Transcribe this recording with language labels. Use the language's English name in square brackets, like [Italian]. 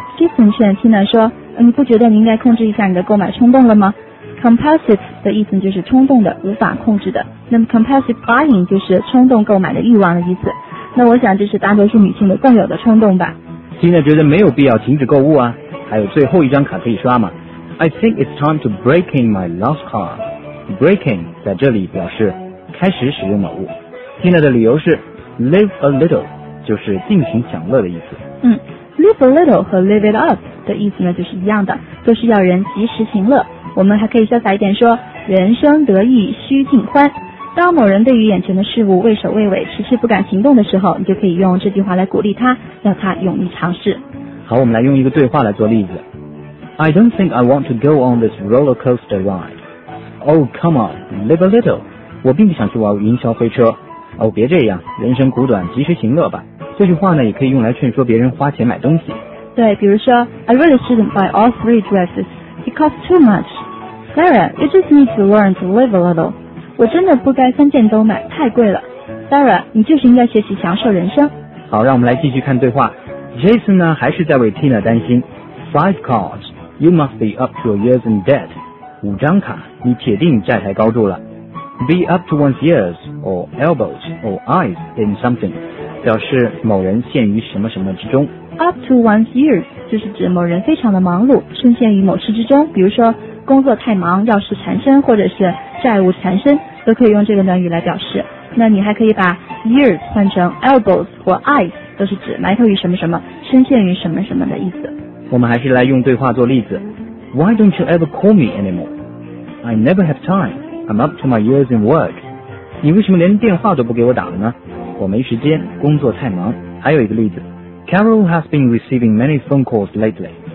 [Chinese] Jason 劝 Tina 说，你不觉得你应该控制一下你的购买冲动了吗？ Compulsive 的意思就是冲动的，无法控制的。那么 [English] compulsive buying [Chinese] 就是冲动购买的欲望的意思。那我想这是大多数女性的共有的冲动吧。 Tina 觉得没有必要停止购物啊，还有最后一张卡可以刷嘛。 [English] I think it's time to break in my last card. [Chinese] Breaking 在这里表示开始使用某物。 Tina 的理由是 [English] live a little， [Chinese] 就是尽情享乐的意思。 [English] Live a little [Chinese] 和 [English] live it up [Chinese] 的意思呢就是一样的，都是要人及时行乐。我们还可以潇洒一点说，人生得意须尽欢。当某人对于眼前的事物畏首畏尾，迟迟不敢行动的时候，你就可以用这句话来鼓励他，让他勇于尝试。好，我们来用一个对话来做例子。 [English] I don't think I want to go on this roller coaster ride. Oh come on, live a little. [Chinese] 我并不想去玩云霄飞车。哦，别这样，人生苦短，及时行乐吧。这句话呢，也可以用来劝说别人花钱买东西。对，比如说 [English] I really shouldn't buy all three dresses. It costs too much. Sarah, you just need to learn to live a little. [Chinese] 我真的不该三件都买，太贵了。 Sarah, 你就是应该学习享受人生。好，让我们来继续看对话。 Jason 呢，还是在为 Tina 担心。 [English] Five cards, you must be up to your ears in debt. [Chinese] 五张卡，你铁定债台高筑了。 [English] Be up to one's ears, or elbows, or eyes in something. [Chinese] 表示某人陷于什么什么之中。 [English] Up to one's ears, [Chinese] 就是指某人非常的忙碌，深陷于某事之中，比如说工作太忙，要事缠身，或者是债务缠身，都可以用这个短语来表示。那你还可以把 ears 换成 elbows 或 eyes， 都是指埋头于什么什么，深陷于什么什么的意思。我们还是来用对话做例子。 [English] Why don't you ever call me anymore? I never have time. I'm up to my ears in work. [Chinese] 你为什么连电话都不给我打了呢？我没时间，工作太忙。还有一个例子。 [English] Carol has been receiving many phone calls lately.